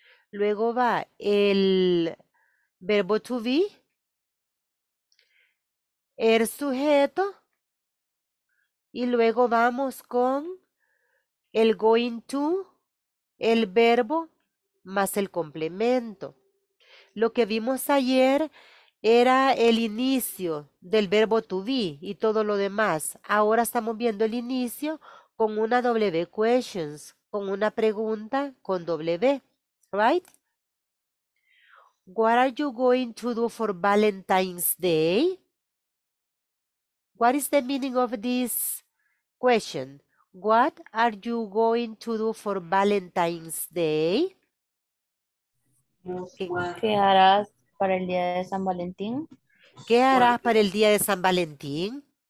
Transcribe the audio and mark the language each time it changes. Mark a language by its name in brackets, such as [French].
[Spanish] Luego va el verbo to be, el sujeto, y luego vamos con el going to, el verbo más el complemento. Lo que vimos ayer era el inicio del verbo to be y todo lo demás. Ahora estamos viendo el inicio con una W questions, con una pregunta con W, right? [English] What are you going to do for Valentine's Day? What is the meaning of this question? What are you going to do for Valentine's Day? [Spanish] ¿Qué harás para el día de San Valentín? ¿Qué harás para el día de San Valentín?